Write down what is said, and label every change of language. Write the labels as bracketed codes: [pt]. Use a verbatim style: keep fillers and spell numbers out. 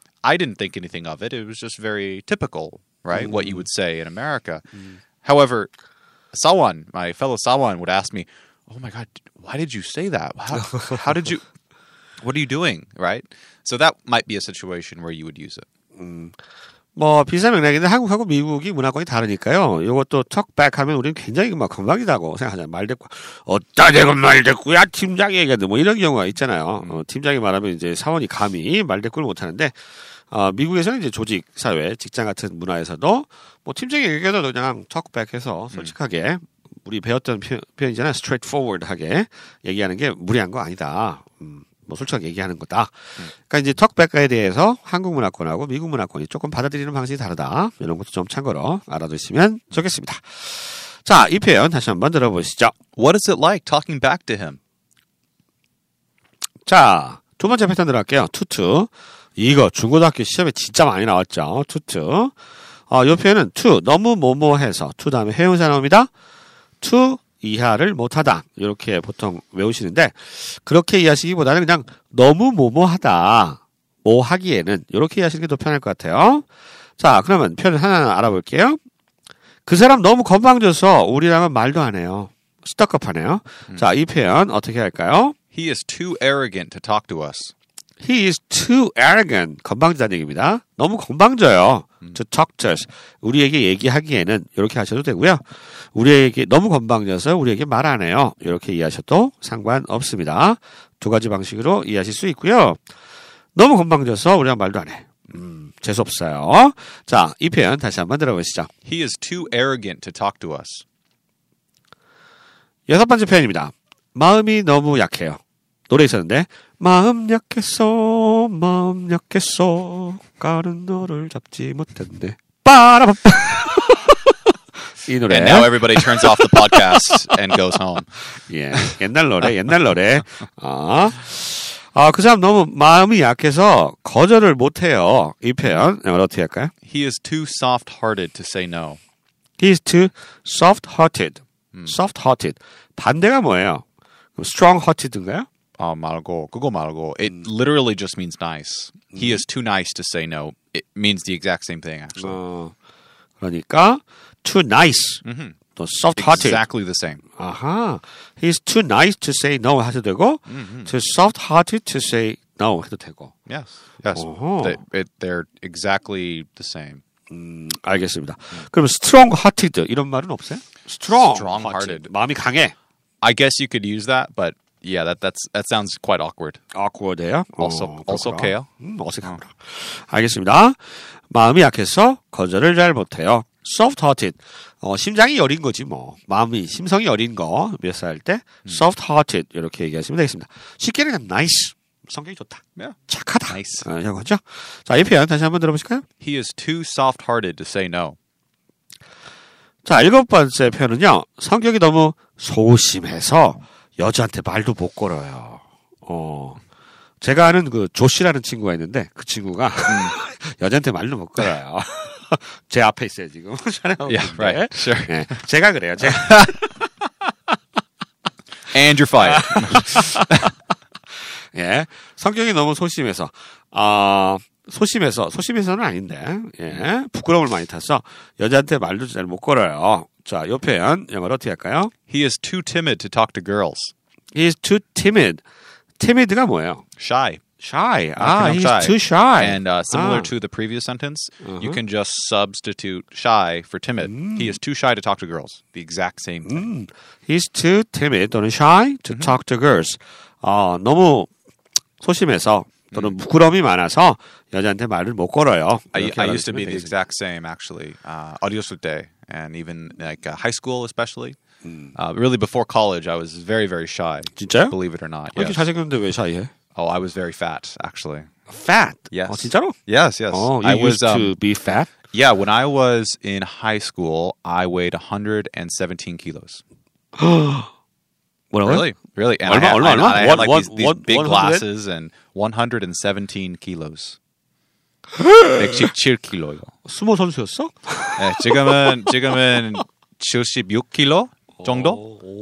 [en] I didn't think anything of it. It was just very typical, right? What you would say in America. However, Sawan, my fellow Sawan, would ask me, "Oh my God, why did you say that? How, how did you? What are you doing?" Right? So that might be a situation where you would use it. [ko] 뭐 비슷한 맥락인데 한국하고 미국이 문화권이 다르니까요. 이것도 턱백 하면 우리는 굉장히 막 건방지다고 생각하잖아요. 말 대꾸 어따 대고 말 대꾸야 팀장이 얘기하는데 뭐 이런 경우가 있잖아요. 어, 팀장이 말하면 이제 사원이 감히 말 대꾸를 못하는데 어, 미국에서는 이제 조직 사회 직장 같은 문화에서도 뭐 팀장이 얘기해도 그냥 턱백해서 솔직하게 음. 우리 배웠던 표현이잖아요. straight forward하게 얘기하는 게 무리한 거 아니다. 음. 뭐 솔직하게 얘기하는 거다. 음. 그러니까 이제 턱백과에 대해서 한국 문화권하고 미국 문화권이 조금 받아들이는 방식이 다르다. 이런 것도 좀 참고로 알아두시면 좋겠습니다. 자, 이 표현 다시 한번 들어보시죠. What is it like talking back to him? 자, 두 번째 패턴 들어갈게요. 투투. 이거 중고등학교 시험에 진짜 많이 나왔죠. 투투. 어, 이 표현은 to, 너무 뭐뭐해서 to 다음에 회용사 나옵니다. to 이해를 못하다 이렇게 보통 외우시는데 그렇게 이해하시기보다는 그냥 너무 뭐뭐하다 뭐하기에는 이렇게 이해하시는 게 더 편할 것 같아요. 자, 그러면 표현 하나 알아볼게요. 그 사람 너무 건방져서 우리랑은 말도 안 해요. 스톡업하네요. 음. 자, 이 표현 어떻게 할까요? [en] He is too arrogant to talk to us. He is too arrogant. [ko] 건방지다는 얘기입니다. 너무 건방져요. [en] 음. To talk to us. [ko] 우리에게 얘기하기에는 이렇게 하셔도 되고요. 우리에게 너무 건방져서 우리에게 말 안 해요. 이렇게 이해하셔도 상관없습니다. 두 가지 방식으로 이해하실 수 있고요. 너무 건방져서 우리랑 말도 안 해. 음, 재수없어요. 자, 이 표현 다시 한번 들어보시죠. He is too arrogant to talk to us. 여섯 번째 표현입니다. 마음이 너무 약해요. 노래 있었는데 마음 약했어 마음 약했어 다른 너를 잡지 못했네 빠라밤 이 노래 [en] And now everybody turns off the podcast and goes home. [ko] 예, 옛날 노래 옛날 노래 아, 아, 그 사람 너무 마음이 약해서 거절을 못해요. 이 표현 어떻게 할까요? [en] He is too soft-hearted to say no. He is too soft-hearted. 음. [ko] Soft-hearted 반대가 뭐예요? Strong-hearted인가요? 아, 말고, 그거 말고. [en] It literally just means nice. He is too nice to say no. It means the exact same thing, actually. [ko] 어, 그러니까, too nice. [en] Mm-hmm. 또 soft-hearted. Exactly the same. 아하. He is too nice to say no [ko] 해도 되고, [en] mm-hmm. too soft-hearted to say no 해도 되고. Yes. Yes. They, it, they're exactly the same. [ko] 음, 알겠습니다. Mm. 그럼 strong-hearted 이런 말은 없어요? [en] Strong. Strong-hearted. [ko] 마음이 강해. [en] I guess you could use that, but Yeah, that that's that sounds quite awkward. [ko] Awkward해요. 어서 어색해요. 음, 어색합니다. 알겠습니다. 마음이 약해서 거절을 잘 못해요. Soft-hearted. 어, 심장이 여린 거지 뭐. 마음이 심성이 여린 거 몇 살 때 음. soft-hearted 이렇게 얘기하시면 되겠습니다. 쉽게는 그냥 nice. 성격이 좋다. [en] Yeah. [ko] 착하다. [en] Nice. [ko] 아, 이런 거죠. 자, 이 표현 다시 한번 들어보실까요? [en] He is too soft-hearted to say no. [ko] 자, 일곱 번째 표현은요. 성격이 너무 소심해서. 여자한테 말도 못 걸어요. 어, 제가 아는 그 조씨라는 친구가 있는데 그 친구가 음. 여자한테 말도 못 걸어요. 제 앞에 있어요 지금. [en] Yeah, right. Sure. [ko] 네, 제가 그래요. 제가. [en] And you're fired. [ko] 예, 성격이 너무 소심해서, 아 어, 소심해서 소심해서는 아닌데, 예, 부끄러움을 많이 타서 여자한테 말도 잘 못 걸어요. 자, 이 표현 영어로 어떻게 할까요? [en] He is too timid to talk to girls. He is too timid. timid가 뭐예요? Shy. Shy. Ah, he's shy. too shy. And uh, similar ah. to the previous sentence, uh-huh. you can just substitute shy for timid. Mm. He is too shy to talk to girls. The exact same thing. Mm. He's too timid [ko] 또는 [en] shy to mm-hmm. talk to girls. [ko] 어, 너무 소심해서 또는 부끄러움이 많아서 여자한테 말을 못 걸어요. [en] I, I used to be the exact same, actually. Uh, [ko] 어렸을 때, [en] and even like uh, high school especially. Mm. Uh, really before college, I was very, very shy. [ko] 진짜요? [en] Believe it or not. [ko] 왜 이렇게 잘생겼는데 왜 shy해? [en] Oh, I was very fat, actually. Fat? Yes. [ko] 어, 진짜로? [en] Yes, yes. Oh, you I used was, um, to be fat? Yeah, when I was in high school, I weighed one hundred seventeen kilos. What really? Really? And I had, I, I had like these, these big glasses and one hundred seventeen kilos. [ko] 백십칠 킬로요. 스모 선수였어? 네, 지금은 지금은 칠십육 킬로 정도?